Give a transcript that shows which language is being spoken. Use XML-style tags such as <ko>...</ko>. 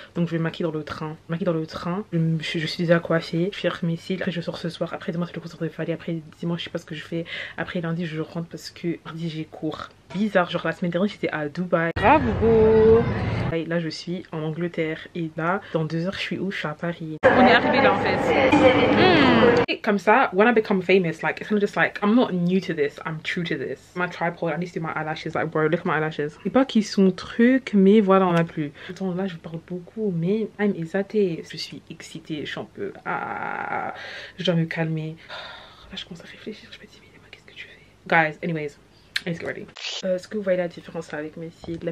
<fr>Donc je vais maquiller dans le train. Je suis déjà coiffée. Je fais mes cils. Après je sors ce soir. Après demain c'est le concert de Fally. Après dimanche je sais pas ce que je fais. Après lundi je rentre parce que mardi j'ai cours. Bizarre, genre la semaine dernière j'étais à Dubaï. Bravo! Et là je suis en Angleterre. Et là dans 2 heures je suis où? Je suis à Paris. On est arrivé là en fait. Comme ça,</fr> <en>when I become famous, like, it's kind of just like, I'm not new to this, I'm true to this. My tripod, I need to do my eyelashes, like, bro, look at my eyelashes.</en> <fr>C'est pas qu'ils sont trucs, mais voilà, on a plus. Attends, là, je parle beaucoup, mais I'm exaltée. Je suis excitée, je suis un peu, je dois me calmer. Là, je commence à réfléchir, je me dis, mais qu'est-ce que tu fais?</fr> <en>Guys, anyways, let's get ready.</en> <fr>Est-ce que vous voyez la différence là avec mes cils?</fr>